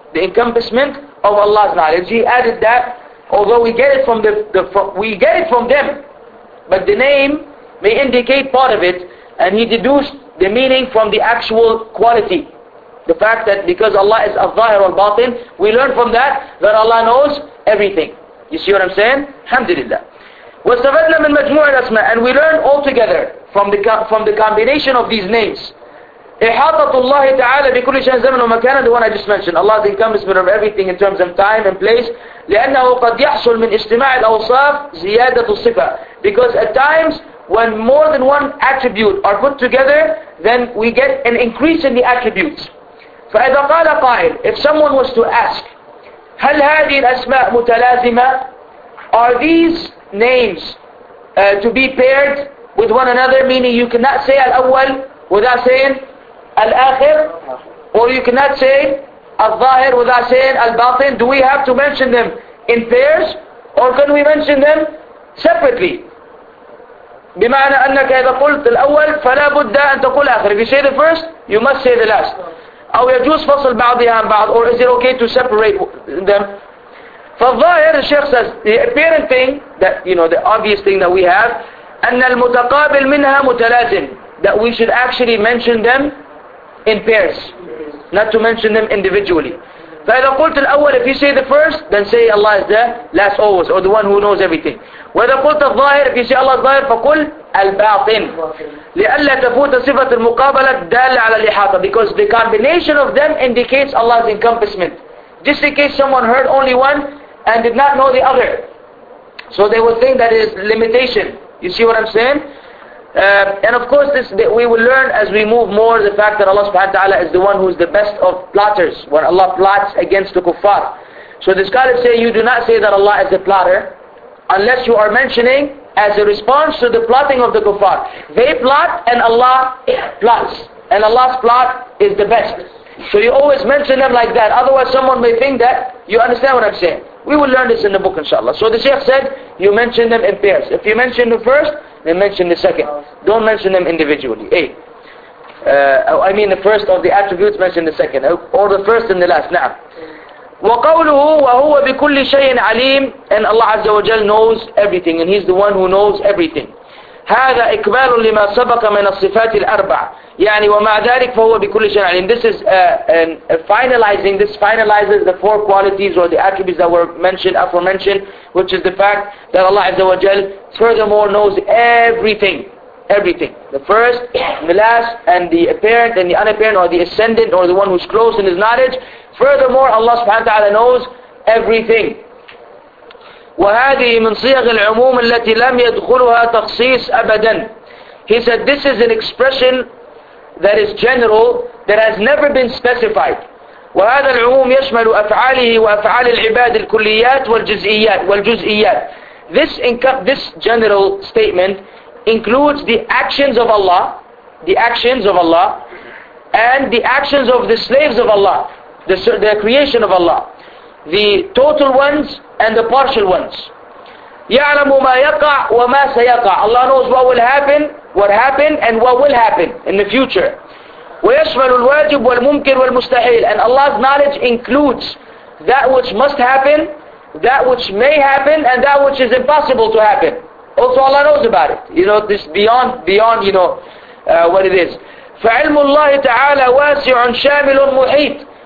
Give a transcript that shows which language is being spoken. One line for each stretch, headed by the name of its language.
English: The encompassment of Allah's knowledge. He added that, although we get it from them, but the name may indicate part of it, and he deduced the meaning from the actual quality. The fact that because Allah is al-zahir al-batin, we learn from that Allah knows everything. You see what I'm saying? Alhamdulillah.
Arabic: وَاسْتَفَدْنَا مِنْ مَجْمُوعِ الْأَسْمَاءِ
English: and we learn all together from the combination of these names.
Arabic: إِحَاطَةُ اللَّهِ تَعَالَى بِكُلِّ شَيْءٍ زَمَنٌ وَمَكَانٌ,
English: the one I just mentioned. Allah is the encompassment of everything in terms of time and place.
Arabic: لِأَنَّهُ قَدْ يَحْصُلْ مِنْ إِجْتِمَاعِ الْأَوْصَافِ زِيَادَةُ الصِّفَةِ
English: because at times, when more than one attribute are put together, then we get an increase in the attributes.
Arabic: فَإِذَا قَالَ قَائِلٌ
English: if someone was to ask,
Arabic: هَلْ هَذِهِ الْأَسْمَاءُ مُتَلَازِمَةٌ
English: are these names to be paired with one another, meaning you cannot say al-awwal without saying al-akhir, or you cannot say al-zahir without saying al-batin. Do we have to mention them in pairs, or can we mention them separately?
Arabic: بمعنى أنك إذا قلت الأول فلا بد أن تقول آخر.
English: If you say the first, you must say the last.
Arabic: أو يجوز فصل بعضها عن بعض,
English: or is it okay to separate them?
Arabic: فالظاهر,
English: the Sheikh says, the apparent thing, that you know, the obvious thing that we have,
Arabic: أن المتقابل منها متلازم,
English: that we should actually mention them in pairs, not to mention them individually.
Arabic: فإذا قلت الأول,
English: if you say the first, then say Allah is the last always, or the one who knows everything.
Arabic: وإذا قلت الظاهر,
English: if you say Allah
Arabic: الظاهر, فقل الباطن. لألا تفوت صفة المقابلة دالة على الإحاطة,
English: because the combination of them indicates Allah's encompassment. Just in case someone heard only one and did not know the other, so they would think that is limitation. You see what I'm saying? And of course, this we will learn as we move more the fact that Allah subhanahu wa ta'ala is the one who is the best of plotters, when Allah plots against the kuffar. So the scholars say you do not say that Allah is the plotter unless you are mentioning as a response to the plotting of the kuffar. They plot and Allah plots, and Allah's plot is the best. So you always mention them like that. Otherwise someone may think that you understand what I'm saying. We will learn this in the book inshallah. So the Shaykh said, you mention them in pairs. If you mention the first, then mention the second. Don't mention them individually. The first of the attributes, mention the second. Or the first and the last.
Arabic: نعم. وقوله وهو بكل شيء عليم,
English: and Allah Azza wa Jal knows everything, and He's the one who knows everything.
Arabic: هذا إكمال لما سبق من الصفات الأربع يعني ومع ذلك فهو بكل شيء عليم.
English: This is finalizes the four qualities or the attributes that were mentioned, aforementioned, which is the fact that Allah Azza wa Jal furthermore knows everything. The first, the last, and the apparent and the unapparent, or the ascendant, or the one who's close in his knowledge. Furthermore, Allah subhanahu wa ta'ala knows everything.
Arabic: وهذه من صيغ العموم التي لم يدخلها تخصيص أبدا.
English: He said this is an expression that is general, that has never been specified.
Arabic: وهذا العموم يشمل أفعاله وأفعال العباد الكليات والجزئيات.
English: This general statement includes the actions of Allah, the actions of Allah, and the actions of the slaves of Allah, the creation of Allah, the total ones and the partial ones.
Arabic: يعلم ما يقع وما سيقع.
English: Allah knows what will happen, what happened and what will happen in the future.
Arabic: ويشمل الواجب والممكن والمستحيل.
English: And Allah's knowledge includes that which must happen, that which may happen, and that which is impossible to happen. Also Allah knows about it. You know, this beyond you know, what it is.
Arabic: فعلم الله تعالى واسع شامل محيط.